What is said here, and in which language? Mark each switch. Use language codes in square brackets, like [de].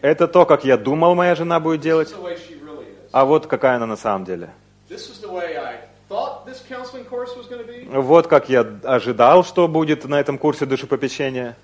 [ru] Это то, как я думал, моя жена будет делать. [en] This is the way she really is. [ru] А вот какая она на самом деле. [en] This is the way I thought this counseling course was gonna be. [ru] Вот как я ожидал, что будет на этом курсе душепопечения.